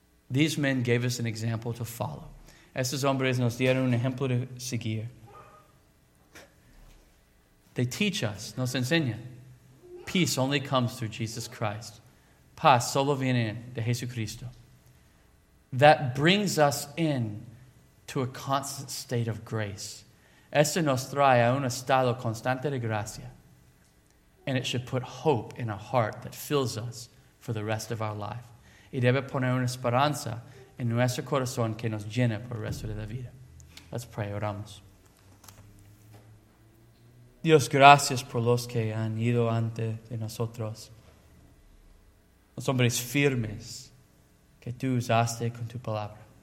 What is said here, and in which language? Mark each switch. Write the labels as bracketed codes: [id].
[en] These men gave us an example to follow. [es] Estos hombres nos dieron un ejemplo de seguir. [en] They teach us, [es] nos enseñan. [en] Peace only comes through Jesus Christ. [es] Paz solo viene de Jesucristo. [en] That brings us in to a constant state of grace. [es] Eso nos trae a un estado constante de gracia. [en] And it should put hope in a heart that fills us for the rest of our life. [es] Y debe poner una esperanza en nuestro corazón que nos llena por el resto de la vida. [en] Let's pray. [es] Oramos. Dios, gracias por los que han ido antes de nosotros. Los hombres firmes que tú usaste con tu palabra.